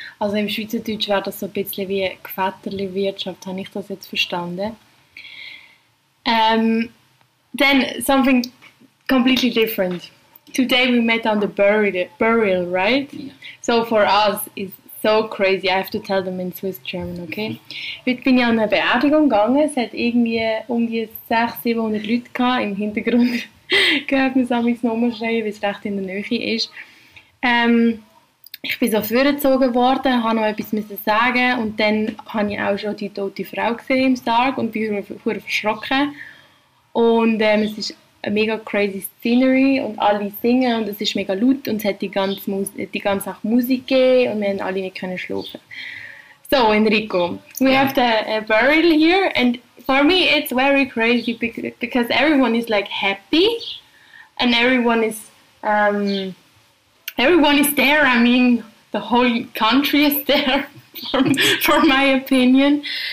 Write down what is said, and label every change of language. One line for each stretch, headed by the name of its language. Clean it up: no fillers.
German: Also im Schweizerdeutsch wäre das so ein bisschen wie Gevaterli Wirtschaft, habe ich das jetzt verstanden?
English: Then something completely different. Today we met on the burial, right? Yeah. So for us, it's So crazy, I have to tell them in Swiss German, okay?
German: Heute bin ich an eine Beerdigung gegangen. Es hat irgendwie um die 600, 700 Leute gehabt. Im Hintergrund gehört man es an mich nochmal schreien, weil es recht in der Nähe ist. Ich bin so vorgezogen worden, habe noch etwas müssen sagen und dann habe ich auch schon die tote Frau gesehen im Sarg und bin sehr verschrocken. Und es ist eine mega
English: crazy Scenery
German: und alle singen und es ist mega laut und es hat die ganze Sache Musik gegeben und wir konnten alle nicht schlafen.
English: So, Enrico, we have a burial here and for me it's very crazy because everyone is like happy and everyone is... Everyone is there, I mean, the whole country is there, for my opinion.